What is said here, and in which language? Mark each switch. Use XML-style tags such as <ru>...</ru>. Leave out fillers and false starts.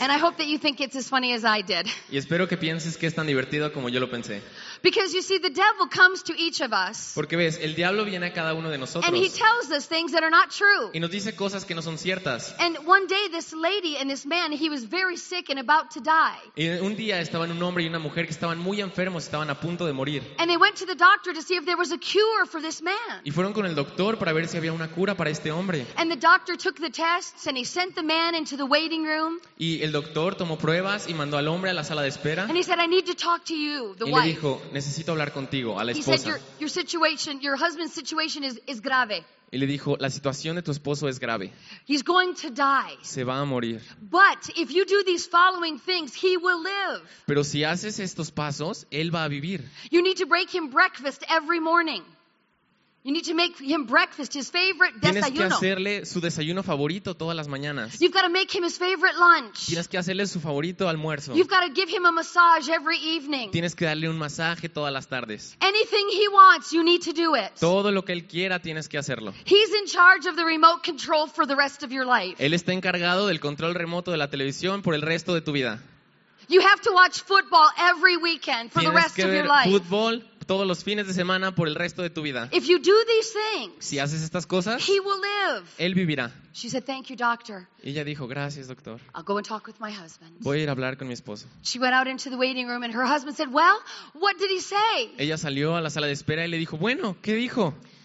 <en>And I hope that you think it's as funny as I did.</en> <es>Y espero que pienses que es tan divertido como yo lo pensé.</es> <en>Because you see, the devil comes to each of us.</en> <es>Porque ves, el diablo viene a cada uno de nosotros.</es> <en>And he tells us things that are not true.</en> <es>Y nos dice cosas que no son ciertas.</es> <en>And one day this lady and this man, he was very sick and about to die.</en> <es>Y un día estaban un hombre y una mujer que estaban muy enfermos, estaban a punto de morir.</es> <en>And they went to the doctor to see if there was a cure for this man.</en> <es>Y fueron con el doctor para ver si había una cura para este hombre.</es> <en>And the doctor took the tests and he sent the man into the waiting room.</en> <es>Y el doctor tomó pruebas y mandó al hombre a la sala de espera.</es> <en>And he said, I need to talk to you, the wife.</en> <es>Y le dijo, necesito hablar contigo, a la esposa.</es> <en>He said, your situation, your husband's situation is grave.</en> <es>Y le dijo, la situación de tu esposo es grave.</es> <en>He's going to die.</en> <es>Se va a morir.</es> <en>But if you do these following things, he will live.</en> <es>Pero si haces estos pasos, él va a vivir.</es> <en>You need to break him breakfast every morning. You need to make him breakfast, his favorite desayuno.</en> <es>Tienes que hacerle su desayuno favorito todas las mañanas.</es> <en>You've got to make him his favorite lunch.</en> <es>Tienes que hacerle su favorito almuerzo.</es> <en>You've got to give him a massage every evening.</en> <es>Tienes que darle un masaje todas las tardes.</es> <en>Anything he wants, you need to do it.</en> <es>Todo lo que él quiera, tienes que hacerlo.</es> <en>He's in charge of the remote control for the rest of your life.</en> <es>Él está encargado del control remoto de la televisión por el resto de tu vida.</es> <en>You have to watch football every weekend for the rest of your life.</en> <es>Tienes que ver fútbol todos los fines de semana por el resto de tu vida.</es> <en>If you do these things,</en> <es>si haces estas cosas,</es> <en>he will live.</en> <es>Él vivirá.</es> <en>She said, thank you, doctor.</en> <es>Y ella dijo, gracias, doctor.</es> <en>I'll go and talk with my husband.</en> <es>Voy a ir a hablar con mi esposo.</es> <en>She went out into the waiting room and her husband said, well, what did he say?</en> <es>Ella salió a la sala de espera y le dijo, bueno, ¿qué dijo?</es>